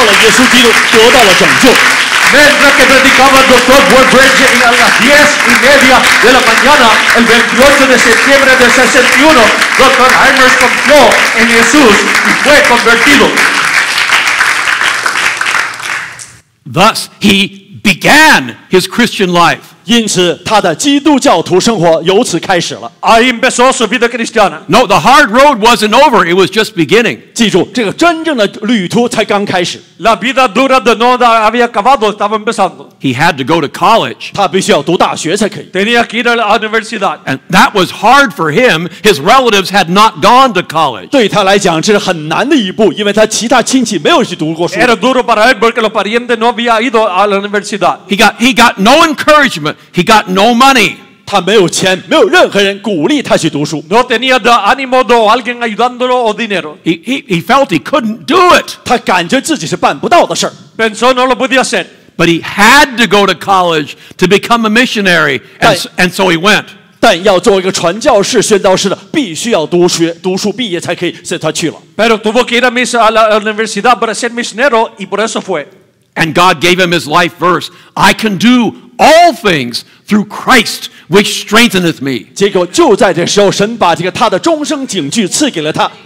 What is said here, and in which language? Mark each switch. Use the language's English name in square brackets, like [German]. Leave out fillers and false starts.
[Chinese] 当伍德布里奇博士在1961年9月28日早上10点半宣道的时候，凯博士信靠了耶稣基督，得到了拯救。 [Spanish] Mientras que predicaba el Dr. Woodbridge a las 10:30 de la mañana, el 28 de septiembre de 61, Dr. Hymers confió en Jesús y fue convertido. [English] Thus, he began his Christian life. [Chinese] 因此他的基督教徒生活由此开始了。 [Spanish] Ahí empezó su vida cristiana. [English] No, the hard road wasn't over, it was just beginning. [Chinese] 记住,这个真正的旅途才刚开始。 [Spanish] La vida dura de no había acabado, estaba empezando. [English] He had to go to college. [Chinese] 他必须要读大学才可以。 [Spanish] Tenía que ir a la universidad. [English] And that was hard for him, his relatives had not gone to college. [Chinese] 对他来讲,这是很难的一步, 因为他其他亲戚没有去读过书。 [Spanish] Era duro para él, porque los parientes no había ido a la universidad. [English] He got no encouragement. He got no money. [Chinese] 他没有钱，没有任何人鼓励他去读书。 [Spanish] No tenía de ánimo de alguien ayudándolo o dinero. [English] He felt he couldn't do it. [Chinese] 他感觉自己是办不到的事儿。 [Spanish] Pensó no lo podía hacer. [English] But he had to go to college to become a missionary, and so he went. [Chinese] 但要做一个传教士、宣道士的，必须要读书，读书毕业才可以，所以他去了。 [Spanish] Pero tuvo que ir a la universidad para ser misionero, y por eso fue. [English] And God gave him his life verse. I can do all things through Christ which strengtheneth me. [Chinese] 结果就在这时候，神把这个他的终生警句赐给了他。